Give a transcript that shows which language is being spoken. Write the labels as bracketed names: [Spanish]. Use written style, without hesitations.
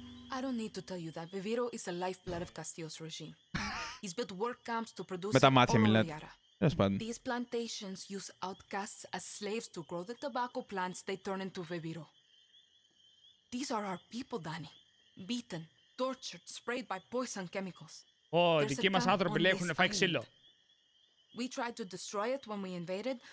[English] I don't need to tell you that Viviro is the lifeblood of Castillo's regime. He's built work camps to produce oil. [Greek] Με τα μάτια μιλάτε. Τέλος πάντων. [English] These plantations use outcasts as slaves to grow the tobacco plants they turn into Viviro. These are our people, Danny. Beaten, tortured, sprayed by poison chemicals. [Greek] Oh, δικοί μας άνθρωποι λέει έχουν φάει ξύλο. [English] We tried to destroy it when we invaded.